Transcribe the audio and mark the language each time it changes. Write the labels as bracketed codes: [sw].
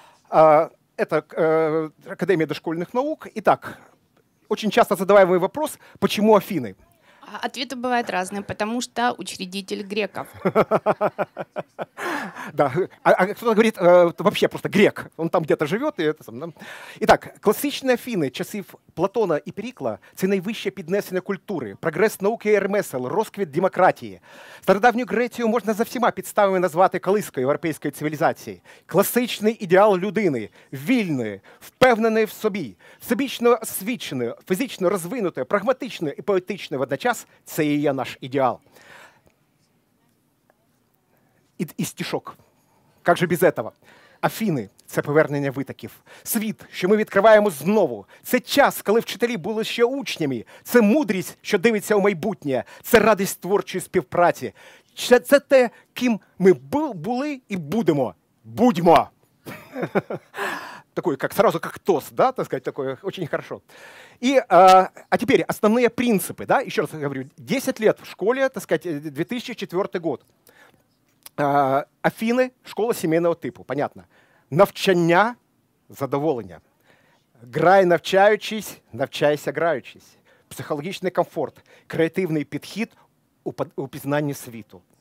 [ru] Это Академия дошкольных наук. Итак, очень часто задаваемый вопрос, почему Афины? Ответы бывают разные, потому что учредитель греков. Да, а кто-то говорит, вообще просто грек, он там где-то живет. И это, да. Итак, классичные Афины, часов Платона и Перикла, [uk] це найвище піднесення культури, прогрес науки и ремесел, розквіт демократії. Стародавню Грецію можна за всіма підставами назвати колискою європейської цивілізації. Класичний ідеал людини, вільної, впевненої в собі, всебічно освіченої, фізично розвинутої, прагматичної і поетичної водночас, це і є наш ідеал. І стишок. Як же без цього? Афіни – це повернення витоків. Світ, що ми відкриваємо знову. Це час, коли вчителі були ще учнями. Це мудрість, що дивиться у майбутнє. Це радість творчої співпраці. Це те, ким ми були і будемо. Будьмо! [ru] Такой, как сразу, как тост, да, так сказать, такое очень хорошо. И теперь основные принципы, да, еще раз говорю, 10 лет в школе, так сказать, 2004 год. Афины, школа семейного типа, понятно. [uk] Навчання, задоволення. Грай навчаючись, навчайся граючись. Психологічний комфорт, креативний підхід у пізнанні світу.